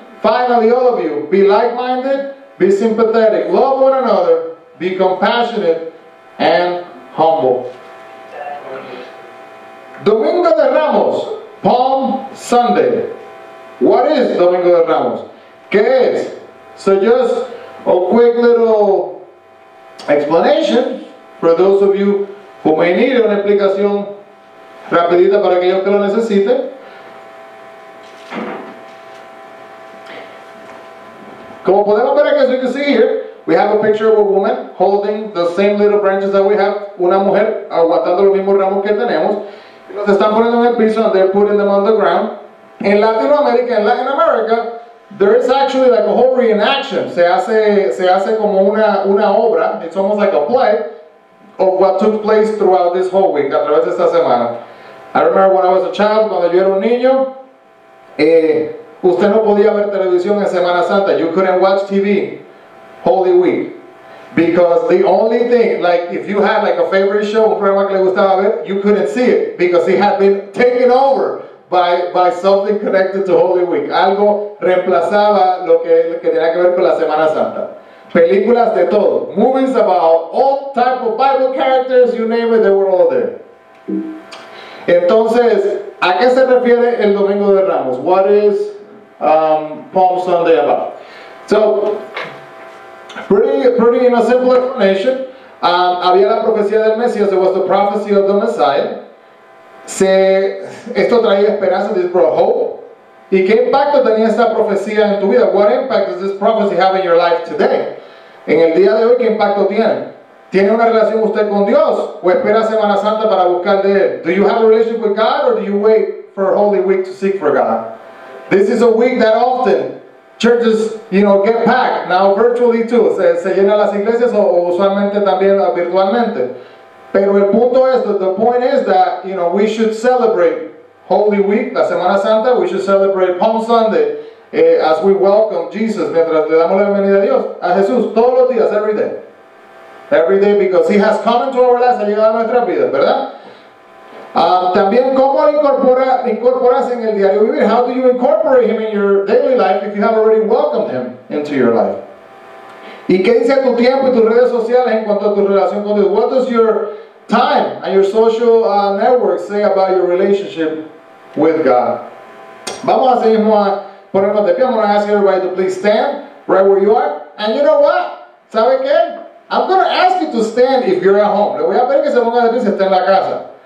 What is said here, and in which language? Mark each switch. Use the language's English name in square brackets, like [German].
[English] Finally, all of you, be like-minded, be sympathetic, love one another, be compassionate, and humble. Domingo de Ramos, Palm Sunday. What is Domingo de Ramos? [Spanish] ¿Qué es? [English] So just a quick little explanation for those of you [Spanish] Juvenil es una explicación rapidita para aquellos que lo necesiten. Como podemos ver aquí, [English] as you can see here, we have a picture of a woman holding the same little branches that we have. [Spanish] Una mujer aguantando los mismos ramos que tenemos. Y los están poniendo en el piso, [English] and they're putting them on the ground. [Spanish] En Latinoamérica, en [English] Latin America, there is actually like a whole reenaction. [Spanish] Se hace como una obra. [English] It's almost like a play of what took place throughout this whole week, [Spanish] a través de esta semana. [English] I remember when I was a child, [Spanish] cuando yo era un niño, usted no podía ver televisión en Semana Santa. [English] You couldn't watch TV Holy Week. Because the only thing, like if you had like a favorite show, [Spanish] un programa que le gustaba ver, [English] you couldn't see it because it had been taken over by something connected to Holy Week. [Spanish] Algo reemplazaba lo que tenía que ver con la Semana Santa. Películas de todo. [English] Movies about all type of Bible characters, you name it, they were all there. [Spanish] Entonces, ¿a qué se refiere el Domingo de Ramos? [English] What is Palm Sunday about? So, pretty in a simple explanation, [Spanish] había la profecía del Mesías, [English] there was the prophecy of the Messiah. [Spanish] Esto traía esperanza, [English] this brought hope. [Spanish] ¿Y qué impacto tenía esta profecía en tu vida? [English] What impact does this prophecy have in your life today? [Spanish] En el día de hoy, ¿qué impacto tiene? ¿Tiene una relación usted con Dios? ¿O espera Semana Santa para buscar de Él? [English] Do you have a relationship with God, or do you wait for Holy Week to seek for God? This is a week that often churches, you know, get packed. Now virtually too, [Spanish] se llenan las iglesias o usualmente también virtualmente. Pero el punto es, [English] the point is that, you know, we should celebrate Holy Week, [Spanish] la Semana Santa. [English] We should celebrate Palm Sunday as we welcome Jesus, [Spanish] mientras le damos la bienvenida a Dios, a Jesús, todos los días, [English] every day. Every day, because He has come into our lives, [Spanish] ha llegado a nuestras vidas, ¿verdad? También, ¿cómo incorporas en el diario vivir? [English] How do you incorporate Him in your daily life if you have already welcomed Him into your life? [Spanish] ¿Y qué dice tu tiempo y tus redes sociales en cuanto a tu relación con Dios? [English] What does your time and your social network say about your relationship with God? [Spanish] Vamos a seguir a ponernos de pie. [English] I'm going to ask everybody to please stand right where you are. And you know what? [Spanish] ¿Sabe qué? [English] I'm going to ask you to stand if you're at home. [Spanish] Le voy a pedir que se ponga de pie si está en la casa.